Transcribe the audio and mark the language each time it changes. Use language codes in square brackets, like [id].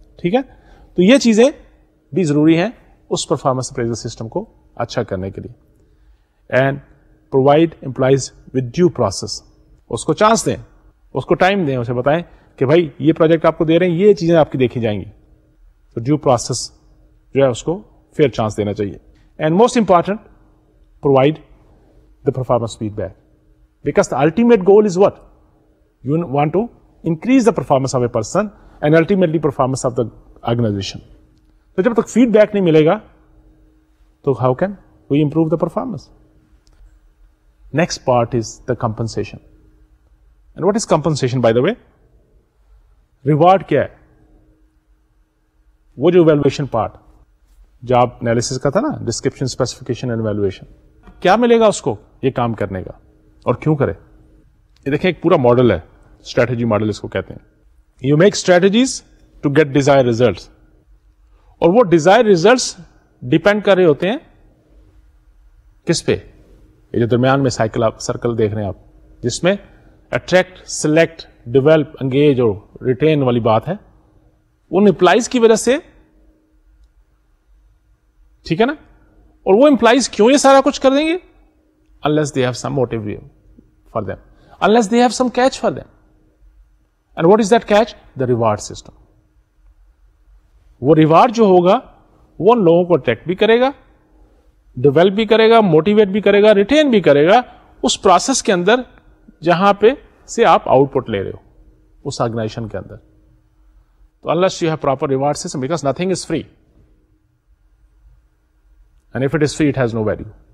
[ur] ٹھیک ہے, تو یہ چیزیں بھی ضروری ہیں اس پرفارمنس اپریزل سسٹم کو اچھا کرنے کے لیے. [en] and provide employees with due process, [ur] اس کو چانس دیں, اس کو ٹائم دیں, اسے بتائیں کہ بھائی یہ پروجیکٹ آپ کو دے رہے ہیں, یہ چیزیں آپ کی دیکھی جائیں گی. تو ڈیو پروسیس جو ہے اس کو فیئر چانس دینا چاہیے. [en] And most important, provide the performance feedback, because the ultimate goal is what you want to increase the performance of a person and ultimately performance of the organization. [ur] تو جب تک feed back نہیں ملے گا تو [en] How can we improve the performance. Next part is the compensation. And what is compensation by the way, [ur] reward کیا ہے؟ وہ جو ایویلویشن پارٹ جو آپ انالیسس کا تھا نا, ڈسکرپشن اسپیسیفکیشن اینڈ ایویلویشن, کیا ملے گا اس کو یہ کام کرنے کا اور کیوں کرے؟ یہ دیکھیں ایک پورا ماڈل ہے, اسٹریٹجی ماڈل اس کو کہتے ہیں. [en] you make strategies to get desire results, [ur] اور وہ ڈیزائر ریزلٹس ڈیپینڈ کر رہے ہوتے ہیں کس پہ؟ یہ جو درمیان میں سائیکل آپ سرکل دیکھ رہے ہیں آپ, جس میں اٹریکٹ, سلیکٹ, ڈیویلپ, انگیج اور ریٹین والی بات ہے, ان امپلائیز کی وجہ سے. ٹھیک ہے نا, اور وہ امپلائیز کیوں یہ سارا کچھ کر دیں گے؟ [en] Unless they have some motive for them, unless they have some catch for them. And what is that catch? The reward system. [ur] وہ ریوارڈ جو ہوگا وہ ان لوگوں کو اٹریکٹ بھی کرے گا, ڈیویلپ بھی کرے گا, موٹیویٹ بھی کرے گا, ریٹین بھی کرے گا اس پروسیس کے اندر جہاں پہ سے آپ آؤٹ پٹ لے رہے ہو اس آرگنائزیشن کے اندر. تو [en] Unless you have proper reward system, because nothing is free, and if it is free it has no value.